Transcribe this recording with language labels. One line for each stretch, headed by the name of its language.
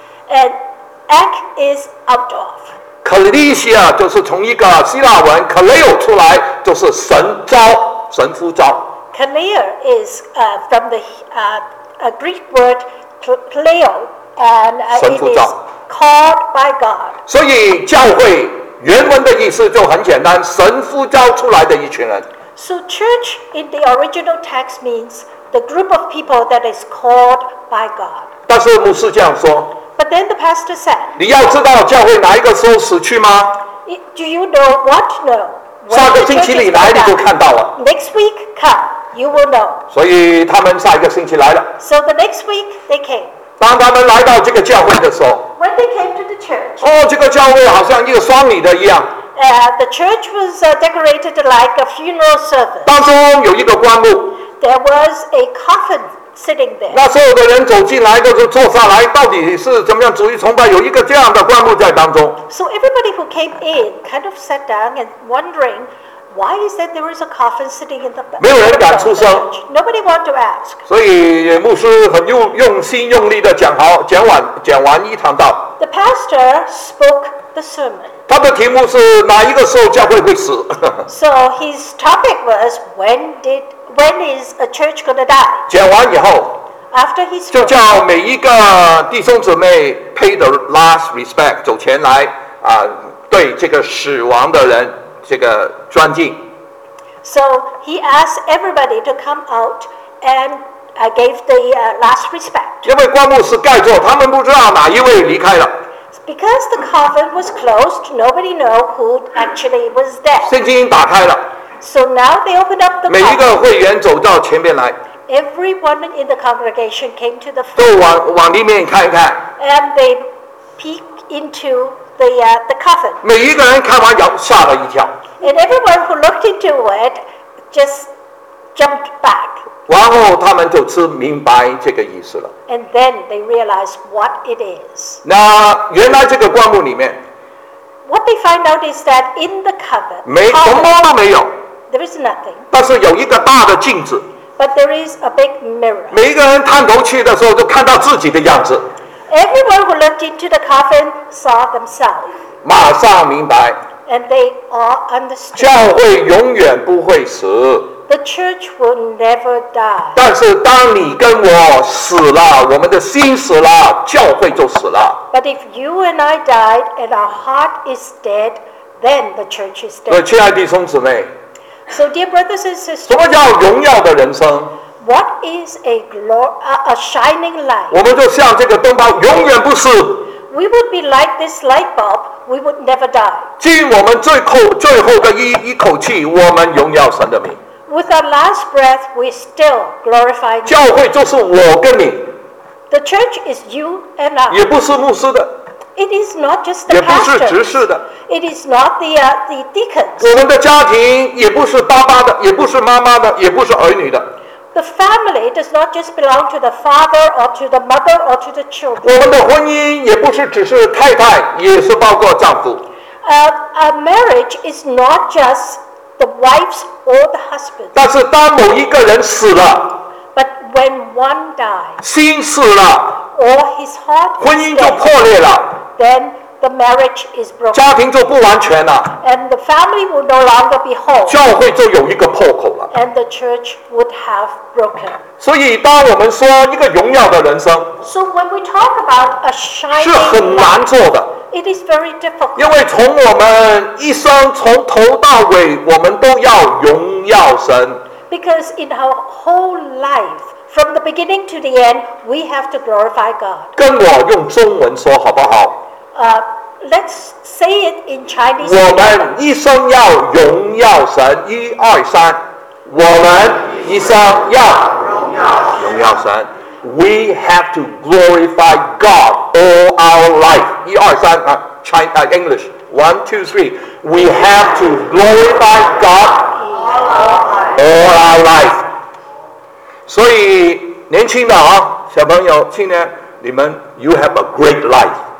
English: And ec is out of.
Chinese: Ecclesia 就是从一个希腊文 Kaleo 出来，就是神召、神呼召。
English: Kaleo is from the a Greek word Kaleo, and it is called by God.
Chinese: 所以教会原文的意思就很简单，神呼召出来的一群人。
English: So church in the original text means the group of people that is called by God.
Chinese: 但是牧师这样说。
English: But then the pastor said,
Chinese: 你要知道教会哪一个时候死去吗？
English: Do you know what? No.
Chinese: 下个星期你来你就看到了。
English: Next week come, you will know.
Chinese: 所以他们下一个星期来了。
English: So the next week they came.
Chinese: 当他们来到这个教会的时候，
English: When they came to the church,
Chinese: 哦，这个教会好像一个丧礼的一样。
English: The church was decorated like a funeral service.
Chinese: 当中有一个棺木。
English: There was a coffin. Sitting there.
Chinese: 那所有的人走进来都是坐下来，到底是怎么样主义崇拜？有一个这样的棺木在当中。
English: So everybody who came in kind of sat down and wondering why is that there is a coffin sitting in the back.
Chinese: 没有人敢出声。
English: Nobody want to ask.
Chinese: 所以牧师很用心用力的讲完一堂道。
English: The pastor spoke the sermon.
Chinese: 他的题目是哪一个时候教会会死？
English: So his topic was When is a church going to die?
Chinese: 讲完以后，
English: After he spoke,
Chinese: 就叫每一个弟兄姊妹
English: pay the last respect,
Chinese: 走前来、对这个死亡的人这个尊敬。
English: So he asked everybody to come out and gave the last respect.
Chinese: 因为棺木是盖着，他们不知道哪一位离开了。
English: Because the coffin was closed, nobody knew who actually was there.
Chinese: 圣经打开了。
English: So now they opened up the.
Chinese: 每一个会员走到前面来。
English: Everyone in the congregation came to the front.
Chinese: 都往里面看一看。
English: And they peeked into the coffin.
Chinese: 每一个人看完要吓了一跳。
English: And everyone who looked into it just jumped back.
Chinese: 然后他们就知明白这个意思了。
English: And then they realized what it is.
Chinese: 那原来这个棺木里面。
English: What they find out is that in the cover,
Chinese: 没什么都没有。
English: There is nothing.
Chinese: 但是有一个大的镜子。
English: But there is a big mirror.
Chinese: 每一个人探头去的时候，都看到自己的样子。
English: Everyone who looked into the coffin saw themselves.
Chinese: 马上明白。
English: And they all understood.
Chinese: 教会永远不会死。
English: The church will never die.
Chinese: 但是当你跟我死了，我们的心死了，教会就死了。
English: But if you and I died and our heart is dead, then the church is dead.
Chinese: 亲爱的弟兄姊妹。
English: So dear brothers and sisters,
Chinese: 什么叫荣耀的人生？
English: What is a shining light?
Chinese: 我们就像这个灯泡，永远不死。
English: We would be like this light bulb. We would never die.
Chinese: 尽我们最后的一口气，我们荣耀神的名。
English: With our last breath, we still glorify God.
Chinese: 教会就是我跟你。
English: The church is you and I.
Chinese: 也不是牧师的。
English: It is not just the pastors.
Chinese: 也不是执事的。
English: It is not the deacons.
Chinese: 我们的家庭也不是爸爸的，也不是妈妈的，也不是儿女的。
English: The family does not just belong to the father or to the mother or to the children.
Chinese: 我们的婚姻也不是只是太太，也是包括丈夫。
English: A marriage is not just the wife's or the husband's.
Chinese: 但是当某一个人死了。
English: But when one dies.
Chinese: 心死了。
English: Or his heart is dead.
Chinese: 婚姻就破裂了。
English: Then the marriage is broken.
Chinese: 家庭就不完全了。
English: And the family will no longer be whole.
Chinese: 教会就有一个破口了。
English: And the church would have broken.
Chinese: 所以当我们说一个荣耀的人生。
English: So when we talk about a shining light.
Chinese: 是很难做的。
English: It is very difficult.
Chinese: 因为从我们一生从头到尾我们都要荣耀神。
English: Because in our whole life, from the beginning to the end, we have to glorify God.
Chinese: 跟我用中文说好不好？
English: Let's say it in Chinese.
Chinese: 我们一生要荣耀神，一二三。我们一生要荣耀神。
English: We have to glorify God all our life.
Chinese: 一二三啊
English: ，Chinese English. One, two, three. We have to glorify God. All our life. all our life.
Chinese: 所以年轻的啊，小朋友，青年，你们
English: you have a great life.